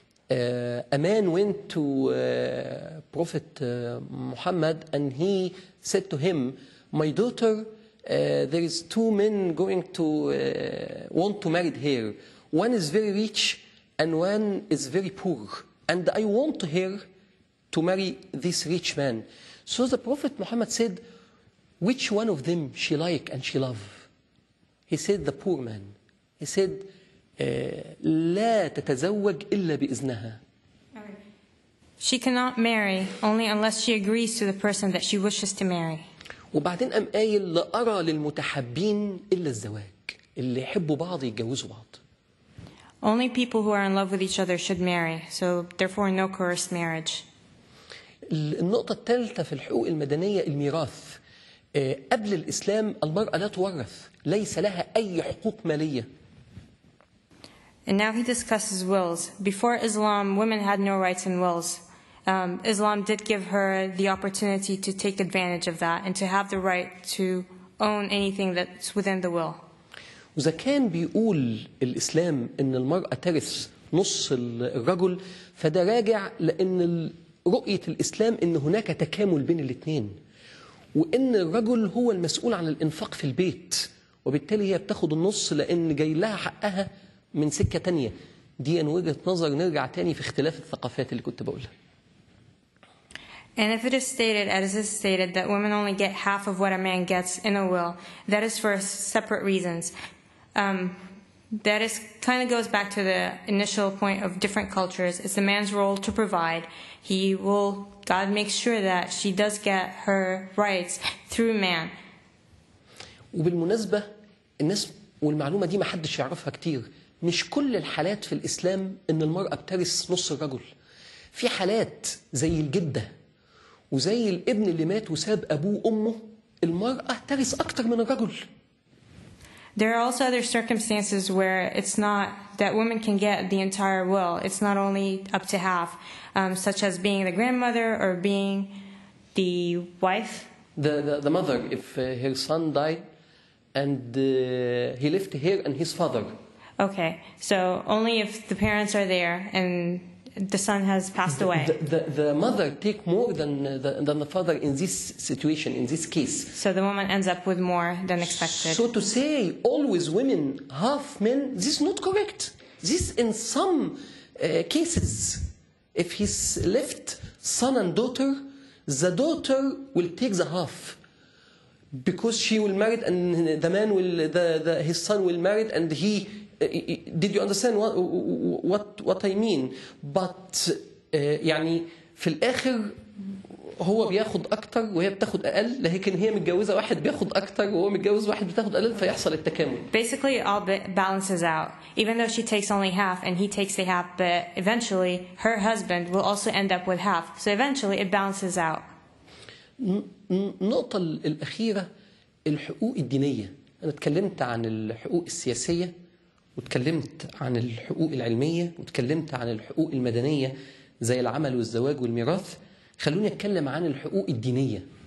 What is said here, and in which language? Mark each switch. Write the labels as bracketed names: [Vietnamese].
[English] أمان went to Prophet Muhammad and he said to him, my daughter, there is two men going to want to marry her. One is very rich and one is very poor. And I want her to marry this rich man. So the Prophet Muhammad said, which one of them she like and she love? He said, the poor man. He said, [Arabic] لا تتزوج إلا بإذنها. [English] She cannot marry only unless she agrees to the person that she wishes to marry. [Arabic] وبعدين أم قايل لا أرى للمتحابين إلا الزواج، اللي يحبوا بعض يتجوزوا بعض. [English] Only people who are in love with each other should marry, so therefore no coerced marriage. [Arabic] النقطة الثالثة في الحقوق المدنية الميراث. قبل الإسلام المرأة لا تورث، ليس لها أي حقوق مالية. [English] And now he discusses wills. Before Islam, women had no rights in wills. Islam did give her the opportunity to take advantage of that and to have the right to own anything that's within the will. [Arabic] وإذا كان بيقول الإسلام إن المرأة ترث نص الرجل، فده راجع لأن رؤية الإسلام إن هناك تكامل بين الاثنين، وإن الرجل هو المسؤول عن الإنفاق في البيت، وبالتالي هي بتاخد النص لأن جاي لها حقها من سكة تانية. دي وجهة نظر نرجع تاني في اختلاف الثقافات اللي كنت بقولها. [English] And if it is stated, as is stated, that women only get half of what a man gets in a will, that is for separate reasons. That is kind of goes back to the initial point of different cultures. It's the man's role to provide. He will, God makes sure that she does get her rights through man. [Arabic] وبالمناسبة الناس والمعلومة دي ما حدش يعرفها كتير، مش كل الحالات في الإسلام إن المرأة بترث نص الرجل. في حالات زي الجدة وزي الابن اللي مات وساب أبوه أمه، المرأة ترث أكتر من الرجل. [English] There are also other circumstances where it's not that women can get the entire will. It's not only up to half, such as being the grandmother or being the wife. The mother, if her son died and he left her and his father. Okay, so only if the parents are there and the son has passed away. The mother take more than the father in this situation, in this case. So the woman ends up with more than expected. So to say always women, half men, this is not correct. This in some cases, if he's left son and daughter, the daughter will take the half. Because she will marry and the man will, his son will marry and he... Did you understand what I mean? [Arabic] But يعني في الآخر هو بياخد أكتر وهي بتاخد أقل، لكن هي متجوزة واحد بياخد أكتر وهو متجوز واحد بتاخد أقل، فيحصل التكامل. [English] Basically it all balances out. Even though she takes only half and he takes the half, but eventually her husband will also end up with half. So eventually it balances out. [Arabic] النقطة الأخيرة الحقوق الدينية. أنا تكلمت عن الحقوق السياسية وتكلمت عن الحقوق العلمية وتكلمت عن الحقوق المدنية زي العمل والزواج والميراث. خلوني أتكلم عن الحقوق الدينية.